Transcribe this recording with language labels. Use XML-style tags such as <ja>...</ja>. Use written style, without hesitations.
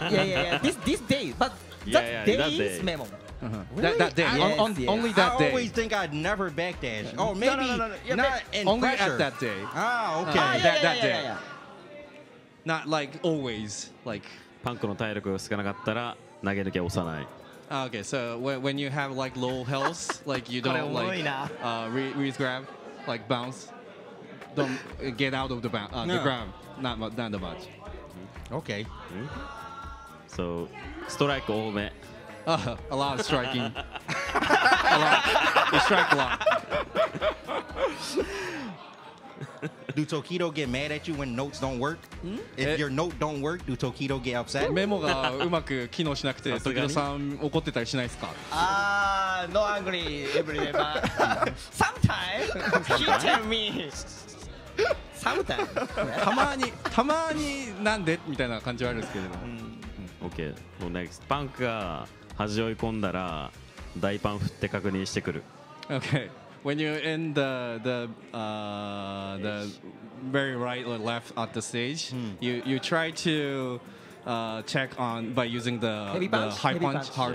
<en>Yeah, yeah, yeah. This day, but that day is memo. Uh-huh. That day, only that day. I always think I'd never backdash. Oh, maybe no. Not in only pressure. At that day. Ah, okay. That day. Not like always. Like,</en> <ja>punk の体力が少なかったら投げ抜け押さない。</ja> <en>Okay, so when you have like low health, like you don't like reach grab, like bounce, don't get out of the grab, not the much. Okay. So, strike</en> <ja>多め。</ja> <en>A lot of striking. A lot. You strike a lot. Do Tokido get mad at you when notes don't work? If your note don't work, do Tokido get upset?</en> <ja>メモがうまく機能しなくて、Tokidoさん怒ってたりしないですか？</ja> <en>No angry every day, but sometimes he tell me. Sometimes.</en> <ja>たまに、なんでみたいな感じはあるんですけど。</ja> <en>Okay, so next.</en> <ja>パンクが恥を追い込んだら、大パン振って確認してくる。</ja> <en>Okay. When you're in the very right or left at the stage, you try to check on by using the high punch.</en>